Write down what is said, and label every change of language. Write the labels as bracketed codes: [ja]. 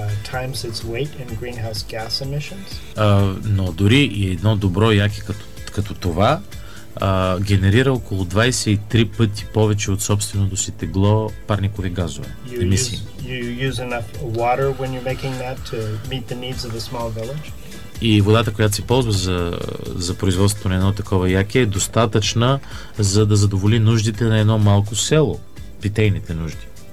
[en] times its weight in greenhouse gas emissions. [bg] Но дори и едно добро яке като това генерира около 23 пъти повече от собственото си тегло парникови газове, емисии. [en] You use enough water when you're making that to meet the needs of a small village. [bg] И водата, която се ползва за производството на едно такова яке, е достатъчна, за да задоволи нуждите на едно малко село, питейните нужди.